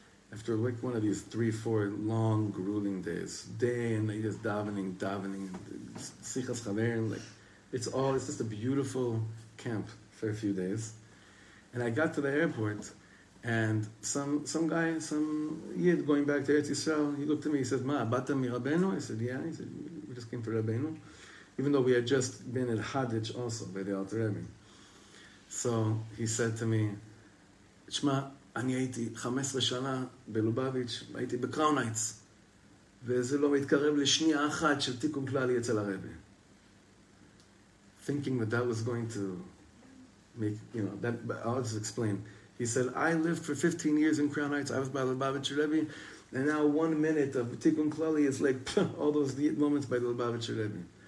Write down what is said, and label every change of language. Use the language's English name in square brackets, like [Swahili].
[English] After like one of these three, four long, grueling days, day and night, just davening, sichas chaverim, like it's just a beautiful camp for a few days. And I got to the airport, and some guy, he had going back to Eretz Yisrael, he looked at me, he said, [Hebrew] Ma, abata mi Rabbeinu? [English] I said, yeah. He said, we just came for Rabbeinu. Even though we had just been at Hadich also, by the Alter Rebbe. So he said to me, [Hebrew] Shema, אני הייתי 15 שנה בלובביץ', הייתי בקראונייץ, וזה לא מתקרב לשנייה אחת של תיקון כללי אצל הרבי. [English] Thinking that was going to make, you know, that, I'll just explain. He said, I lived for 15 years in Crownites, I was by Lubavitcher Rebbe, and now 1 minute of tikkun klali is like all those moments by the Lubavitcher Rebbe.